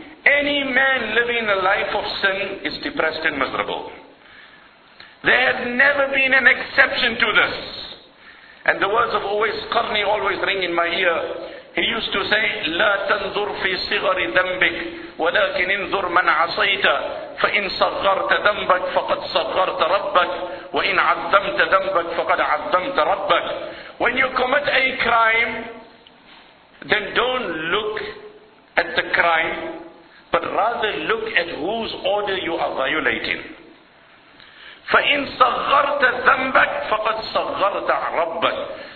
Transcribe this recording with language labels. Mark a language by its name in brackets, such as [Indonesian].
[English] Any man living a life of sin is depressed and miserable. There had never been an exception to this. And the words of always Qarni always ring in my ear. He used to say, [Arabic] لَا تَنْظُرْ فِي صِغَرِ ذَنْبِكَ وَلَكِنْ انْظُرْ مَنْ عَصَيْتَ فَإِنْ صَغَّرْتَ ذَنْبَكَ فَقَدْ صَغَّرْتَ رَبَّكَ وَإِنْ عَظَّمْتَ ذَنْبَكَ فَقَدْ عَظَّمْتَ رَبَّكَ. [English] When you commit a crime, then don't look at the crime, but rather look at whose order you are violating. [Arabic] فَإِنْ صَغَّرْتَ ذَنْبَكَ فَقَدْ صَغَّرْتَ رَبَّكَ.